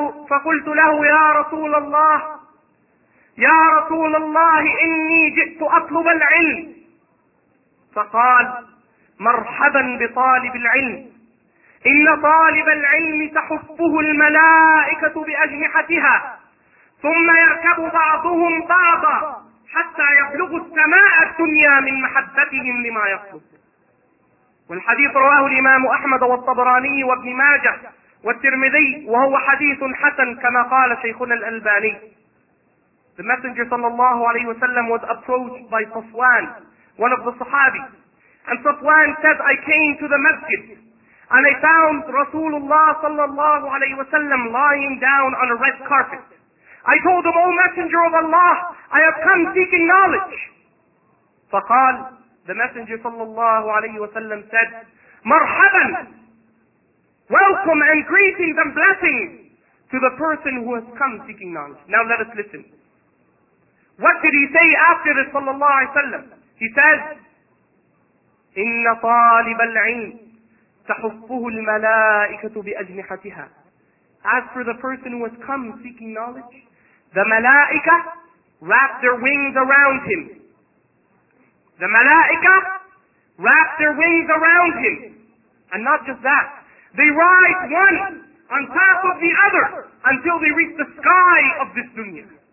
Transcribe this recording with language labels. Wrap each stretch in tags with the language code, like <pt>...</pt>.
<ar>فقلت له يا رسول الله يا رسول الله إني جئت أطلب العلم فقال مرحبا بطالب العلم إن طالب العلم تحفه الملائكة بأجنحتها ثم يركب بعضهم بعضا حتى يبلغ السماء الدنيا من محبتهم لما يطلب والحديث رواه الإمام أحمد والطبراني وابن ماجه والترمذي وهو حديث حسن كما قال شيخنا الألباني.</ar> <en>The Messenger sallallahu alayhi wa sallam was approached by Safwan, one of the Sahabi. And Safwan said, I came to the masjid and I found Rasulullah sallallahu alayhi wa sallam lying down on a red carpet. I told him, O Messenger of Allah, I have come seeking knowledge. فقال, the Messenger sallallahu alayhi wa sallam said, مرحباً, welcome and greetings and blessings to the person who has come seeking knowledge. Now let us listen. What did he say after this, sallallahu alayhi wa sallam? He says,</en> <ar>إِنَّ طَالِبَ الْعِلْمِ تَحُفُّهُ الْمَلَائِكَةُ بِأَجْنِحَتِهَا.</ar> <en>As for the person who has come seeking knowledge, the malaika wrap their wings around him. The malaika wrap their wings around him. And not just that, they rise one on top of the other until they reach the sky of this dunya.</en>